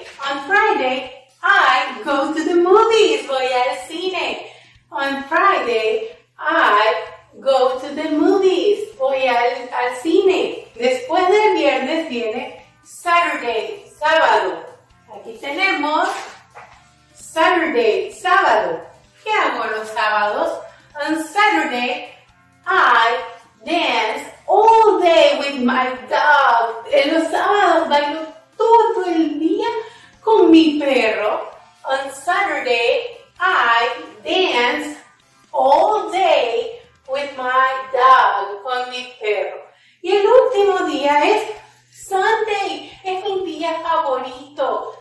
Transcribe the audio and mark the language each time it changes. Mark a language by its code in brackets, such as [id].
[en] On Friday, I go to the movies. [es] Voy al cine. [en] On Friday, I go to the movies. [es] Voy al cine. Después del viernes viene Saturday, sábado. Aquí tenemos Saturday, sábado. ¿Qué hago los sábados? [en] On Saturday, I dance all day with my dog. [es] En los sábados bailo todo el día con mi perro. [en] On Saturday, I dance all day with my dog, [es] con mi perro. Y el último día es Sunday. Es mi día favorito.